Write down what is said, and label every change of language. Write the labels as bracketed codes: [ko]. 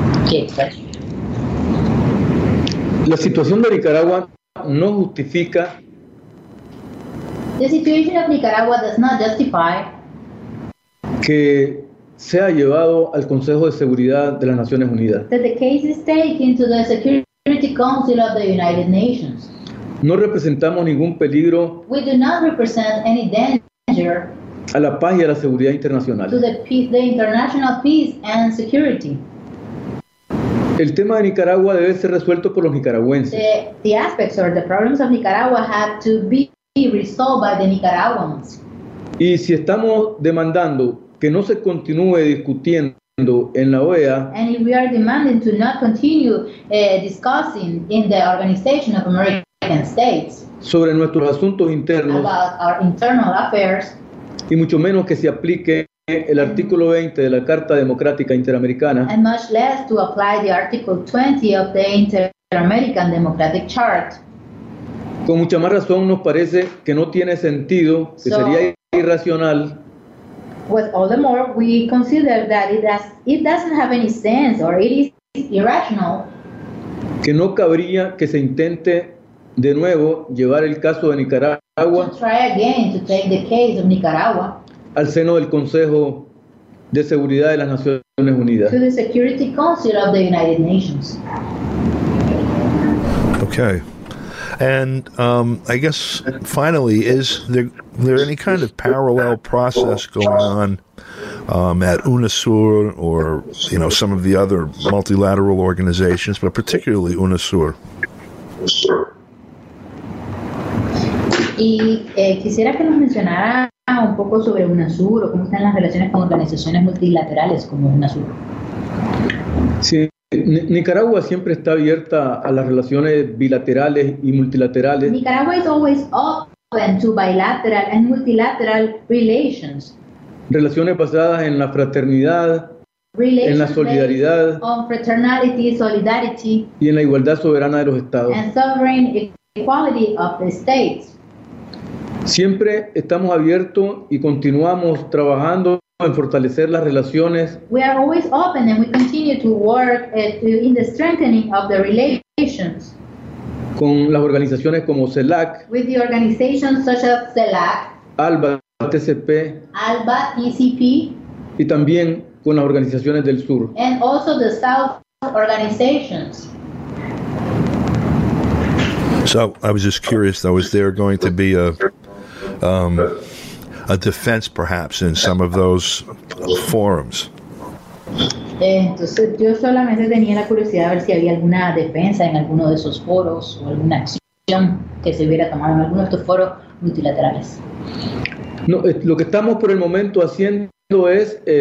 [es] ¿Qué tal? La situación de Nicaragua no justifica. [en] The situation of Nicaragua does not justify [es] que sea llevado al Consejo de Seguridad de las Naciones Unidas. [en] That the case is taken to the Security Council of the United Nations. [es] No representamos ningún peligro. [en] We do not represent any danger [es] a la paz y a la seguridad internacional. [en] To the international peace and security. [es] El tema de Nicaragua debe ser resuelto por los nicaragüenses. [en] The aspects or the problems of Nicaragua have to be resolved by the Nicaraguans. [es] Y si estamos demandando que no se continúe discutiendo en la OEA. [en] And if we are demanding to not continue discussing in the Organization of American States. [es] Sobre nuestros asuntos internos. [en] About our internal affairs. [es] Y mucho menos que se aplique el artículo 20 de la Carta Democrática Interamericana. [en] And much less to apply the article 20 of the Inter-American Democratic Charter. [es] Con mucha más razón nos parece que no tiene sentido, que sería irracional. [en] With all the more, we consider that it doesn't have any sense or it is irrational. [es] Que no cabría que se intente de nuevo llevar el caso de Nicaragua. [en] To try again to take the case of Nicaragua. [es] Al seno del Consejo de Seguridad de las Naciones Unidas. [en] To the Security Council of the United Nations. Okay. And I guess, finally, is there any kind of parallel process going on at UNASUR or, you know, some of the other multilateral organizations, but particularly UNASUR? [es] Y quisiera que nos mencionara un poco sobre UNASUR o cómo están las relaciones con organizaciones multilaterales como UNASUR. Sí. Nicaragua siempre está abierta a las relaciones bilaterales y multilaterales. [en] Nicaragua is always open to bilateral and multilateral relations. [es] Relaciones basadas en la fraternidad, en la solidaridad, [en] on fraternity, solidarity, [es] y en la igualdad soberana de los estados. [en] And sovereign equality of the states. [es] Siempre estamos abiertos y continuamos trabajando en fortalecer las relaciones. [en] We are always open and we continue to work in the strengthening of the relations. [es] Con las organizaciones como CELAC. [en] With the organizations such as CELAC. [es] ALBA, TCP. [en] ALBA, TCP. [es] Y también con las organizaciones del sur. [en] And also the south organizations. So, I was just curious though, is there going to be a defense, perhaps, in some of those forums? [es] Entonces, yo solamente tenía la curiosidad de ver si había alguna defensa en alguno de esos foros o alguna acción que se hubiera tomado en alguno de estos foros multilaterales. No, lo que estamos por el momento haciendo es